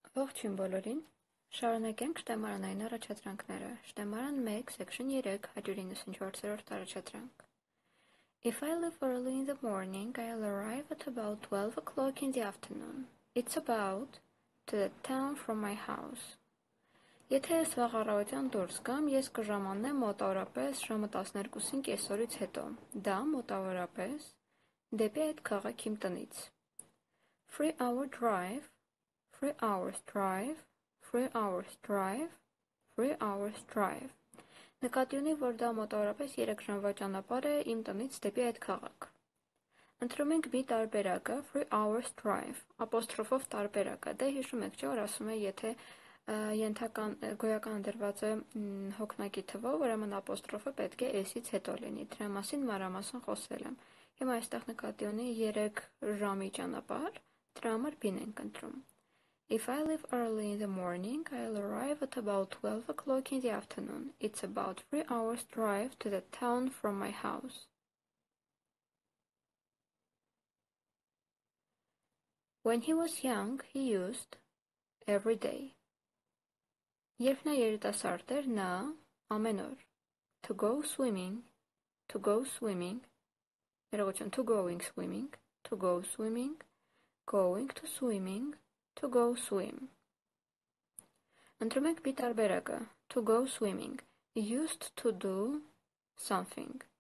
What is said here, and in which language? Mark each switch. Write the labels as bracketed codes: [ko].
[hy] Ողջույն բոլորին։ Շարունակենք շտեմարանային առաջադրանքները։ Շտեմարան 1, Section 3, 194-րդ առաջադրանք։ [en] If I leave early in the morning, I'll arrive at about 12 o'clock in the afternoon. It's about to the town from my house. [hy] Եթե ես վաղ առավոտյան դուրս գամ, ես կժամանեմ մոտավորապես ժամը 12-ին կեսօրից հետո։ Դա մոտավորապես դեպի այդ քաղաք իմ տնից։ [en] 3-hour drive. 3 hours drive, 3 hours drive, 3 hours drive. [hy] Նկատի ունի, որ դա մոտավորապես 3 ժամվա ճանապարհ է իմ տնից դեպի այդ քաղաք։ Ընտրում ենք մի տարբերակը, [en] 3 hours drive, [hy] ապոստրոֆով տարբերակը։ Դե հիշում եք, չէ՞, որ ասում է, եթե ենթական գոյական դրվածը հոգնակի թվով, ուրեմն ապոստրոֆը պետք է s-ից հետո լինի։ Դրա մասին մանրամասն խոսել եմ։ Հիմա այստեղ նկատի ունի 3 ժամի ճանապարհ, դրա համար b-ն ենք ընտրում։ [en] If I leave early in the morning, I'll arrive at about 12 o'clock in the afternoon. It's about 3 hours drive to the town from my house. When he was young, he used every day. [hy] Երբ նա երիտասարդ էր, նա ամեն օր. [en] To go swimming, to go swimming. [hy] Երեկոյան [en] to going swimming, to go swimming, going to swimming. To go swim. [hy] Ընտրում ենք մի տարբերակը. [en] To go swimming. Used to do something.